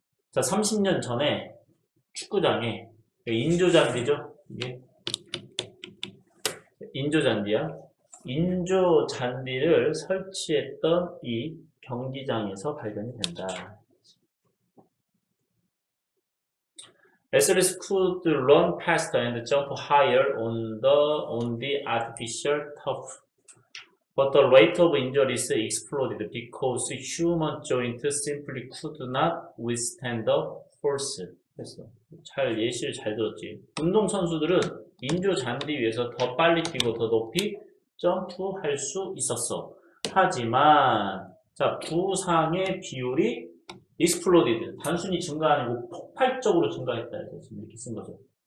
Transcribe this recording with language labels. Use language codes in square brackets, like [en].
[ko] 자, 30년 전에 축구장에 인조잔디죠? 이게 인조잔디야. 인조잔디를 설치했던 이 경기장에서 발견이 된다. [en] SLS could run faster and jump higher on the artificial turf. But the rate of injuries exploded because human joint simply could not withstand the force. [ko] 됐어. 잘 예시를 잘 들었지. 운동선수들은 인조 잔디 위에서 더 빨리 뛰고 더 높이 점프할 수 있었어. 하지만 자, 부상의 비율이 exploded, 단순히 증가 아니고 폭발적으로 증가했다. 이렇게 쓴 거죠.